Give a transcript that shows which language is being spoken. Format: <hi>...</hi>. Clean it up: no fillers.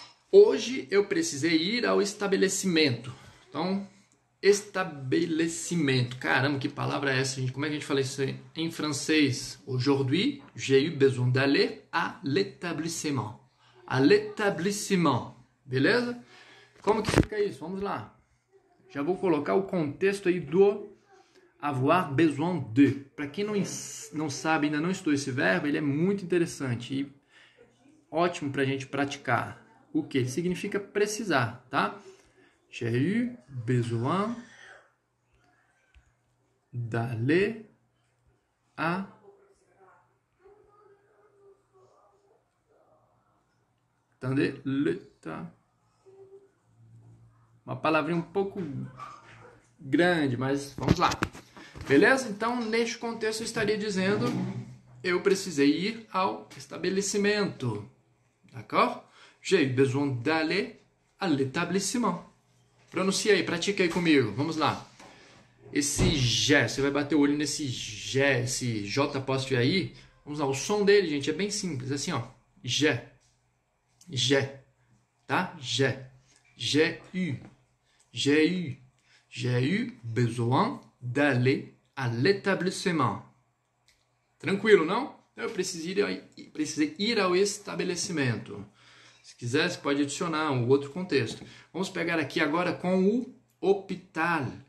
<pt>Hoje eu precisei ir ao estabelecimento. Então, estabelecimento. Caramba, que palavra é essa, gente? Como é que a gente fala isso aí? Em francês?</pt> <fr>Aujourd'hui, j'ai eu besoin d'aller à l'établissement. À l'établissement.</fr> <pt>Beleza? Como que fica isso? Vamos lá. Já vou colocar o contexto aí do avoir besoin de. Para quem não sabe, ainda não estudou esse verbo, ele é muito interessante e ótimo para a gente praticar. O que significa precisar, tá?</pt> <fr>J'ai eu besoin d'aller à</fr> <pt>Entendeu? Luta. Uma palavrinha um pouco grande, mas vamos lá. Beleza? Então, neste contexto, eu estaria dizendo: eu precisei ir ao estabelecimento.</pt> <fr>D'accord? J'ai besoin d'aller à l'établissement.</fr> <pt>Pronuncia aí, pratica aí comigo. Vamos lá. Esse G, você vai bater o olho nesse G, esse J apóstrofe aí. Vamos lá, o som dele, gente, é bem simples. Assim, ó. G. G. Tá? G. G-U. G-U.</pt> <fr>J'ai eu besoin d'aller à l'établissement.</fr> <pt>Tranquilo, não? Eu precisei ir ao estabelecimento. Se quiser, você pode adicionar um outro contexto. Vamos pegar aqui agora com o hôpital.</pt>